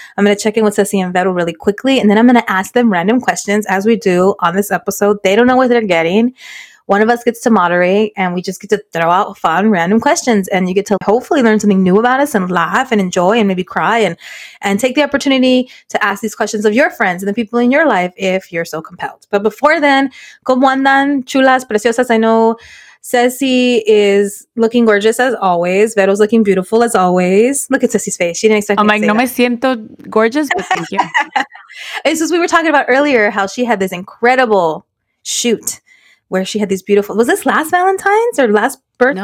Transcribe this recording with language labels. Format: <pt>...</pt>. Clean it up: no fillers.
<en>I'm going to check in with Ceci and Vettel really quickly, and then I'm going to ask them random questions as we do on this episode. They don't know what they're getting. One of us gets to moderate and we just get to throw out fun, random questions, and you get to hopefully learn something new about us and laugh and enjoy and maybe cry and take the opportunity to ask these questions of your friends and the people in your life if you're so compelled. But before then,</en> <es>¿cómo andan, chulas, preciosas?</es> <en>I know Ceci is looking gorgeous as always. Vero's looking beautiful as always. Look at Ceci's face. She didn't expect me to say that. I'm like,</en> <es>no me siento</es> <en>gorgeous, but thank you. It's just, we were talking about earlier how she had this incredible shoot where she had these beautiful, was this last Valentine's or last birthday?</en>